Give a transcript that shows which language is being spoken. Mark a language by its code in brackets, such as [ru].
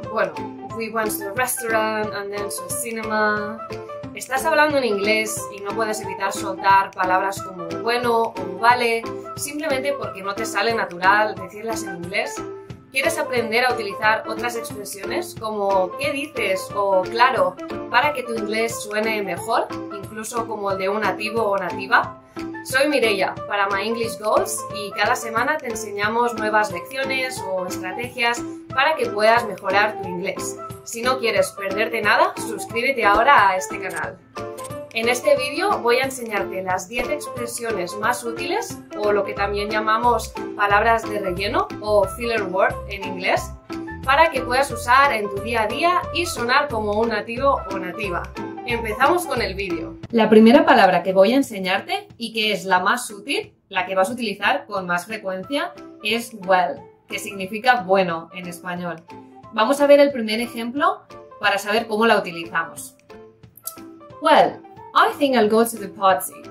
[en] Bueno, we went to the restaurant and then to the cinema. [es] Estás hablando en inglés y no puedes evitar soltar palabras como bueno o vale, simplemente porque no te sale natural decirlas en inglés. ¿Quieres aprender a utilizar otras expresiones como qué dices o claro para que tu inglés suene mejor, incluso como el de un nativo o nativa? Soy Mireia para My English Goals y cada semana te enseñamos nuevas lecciones o estrategias para que puedas mejorar tu inglés. Si no quieres perderte nada, suscríbete ahora a este canal. En este vídeo voy a enseñarte las 10 expresiones más útiles, o lo que también llamamos palabras de relleno o filler word en inglés, para que puedas usar en tu día a día y sonar como un nativo o nativa. Empezamos con el vídeo. La primera palabra que voy a enseñarte y que es la más útil, la que vas a utilizar con más frecuencia, es well, que significa bueno en español. Vamos a ver el primer ejemplo para saber cómo la utilizamos. [en] Well, I think I'll go to the party.